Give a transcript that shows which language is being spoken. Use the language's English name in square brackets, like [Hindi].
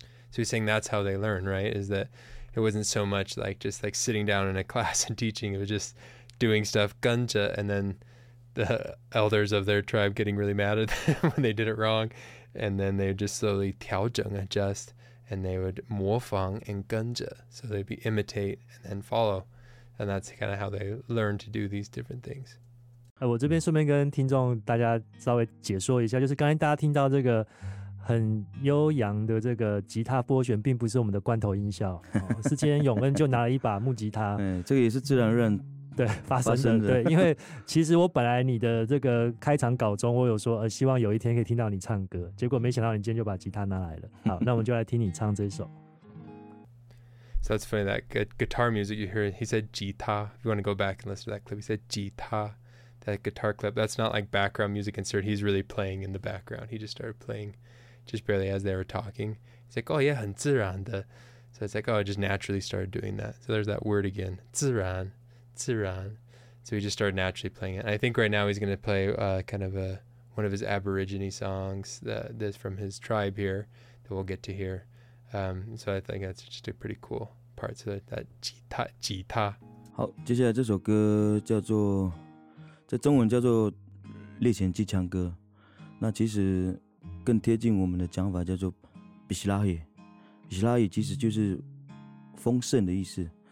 [English] So he's saying that's how they learn, right? Is that it wasn't so much like just like sitting down in a class and teaching, it was just doing stuff, 跟着, and then the elders of their tribe getting really mad at them when they did it wrong, and then they would just slowly 调整, adjust, and they would 模仿 and 跟着, so they'd be imitate and then follow, and that's kind of how they learn to do these different things. [Chinese] 我这边顺便跟听众大家稍微解说一下，就是刚才大家听到这个很悠扬的这个吉他拨弦，并不是我们的罐头音效，是今天永恩就拿了一把木吉他，这个也是自然而然对发生的，对，因为其实我本来你的这个开场稿中，我有说希望有一天可以听到你唱歌，结果没想到你今天就把吉他拿来了，好，那我们就来听你唱这首。 [English] So that's funny that guitar music you hear. He said 吉他 If you want to go back and listen to that clip, he said 吉他。 That guitar clip, that's not like background music insert. He's really playing in the background. He just started playing just barely as they were talking. He's like, oh yeah, [Chinese] 很自然的. [English] So it's like, oh, I just naturally started doing that. So there's that word again, 自然, 自然. So he just started naturally playing it. And I think right now he's going to play one of his Aborigine songs that's from his tribe here that we'll get to hear. So I think that's just a pretty cool part. So that 吉他, 吉他. [Chinese] 好, 接下来这首歌叫做在中文叫做猎前机枪歌，那其实更贴近我们的讲法叫做 Bishlahi， Bishlahi 其实就是丰盛的意思。